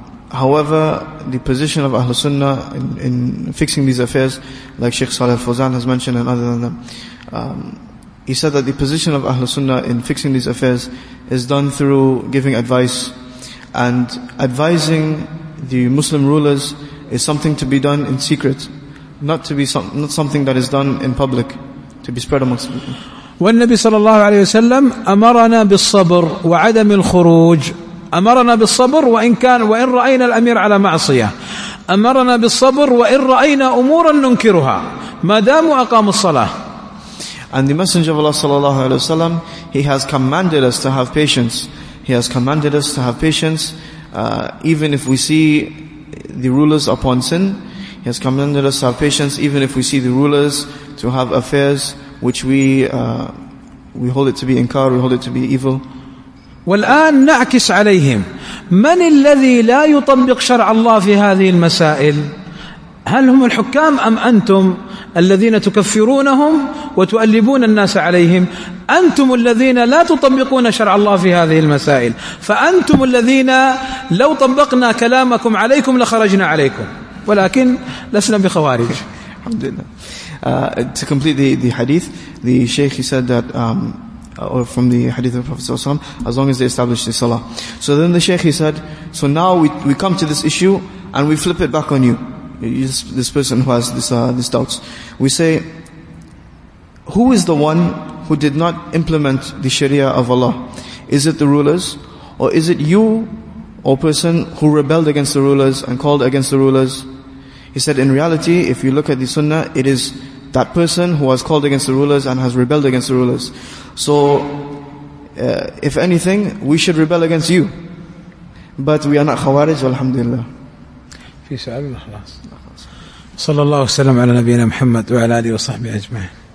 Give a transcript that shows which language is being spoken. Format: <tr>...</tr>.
<en>However, the position of Ahlul Sunnah in fixing these affairs, like Sheikh Saleh Fawzan has mentioned and other than them, he said that the position of Ahlul Sunnah in fixing these affairs is done through giving advice. And advising the Muslim rulers is something to be done in secret, not something that is done in public, to be spread amongst people.</en> <ar>والنبي صلى الله عليه وسلم أمرنا بالصبر وعدم الخروج أمرنا بالصبر وإن كان وإن رأينا الأمير على معصية، أمرنا بالصبر وإن رأينا أمورا ننكرها ما داموا أقاموا الصلاة.</ar> <en>And the Messenger of Allah sallallahu alaihi wasallam, he has commanded us to have patience. He has commanded us to have patience, even if we see the rulers upon sin. He has commanded us to have patience, even if we see the rulers to have affairs which we hold it to be inkar, we hold it to be evil.</en> <ar>والآن نعكس عليهم من الذي لا يطبق شرع الله في هذه المسائل؟ هل هم الحكام أم أنتم الذين تكفرونهم وتؤلبون الناس عليهم؟ أنتم الذين لا تطبقون شرع الله في هذه المسائل، فأنتم الذين لو طبقنا كلامكم عليكم لخرجنا عليكم، ولكن لسنا بخوارج. الحمد لله.</ar> <en>To complete the hadith, the sheikh, he said that or from the hadith of the Prophet ﷺ, as long as they establish the salah. So then the sheikh, he said, so now we come to this issue and we flip it back on you. This person who has this doubts, we say, who is the one who did not implement the Sharia of Allah? Is it the rulers, or is it you, or person who rebelled against the rulers and called against the rulers? He said, in reality, if you look at the Sunnah, it is that person who has called against the rulers and has rebelled against the rulers. So, if anything, we should rebel against you, but we are not Khawarij, alhamdulillah.</en> <ar>في سؤال الأخلاص. صلى الله وسلم على نبينا محمد وعلى آله وصحبه أجمعين.</ar>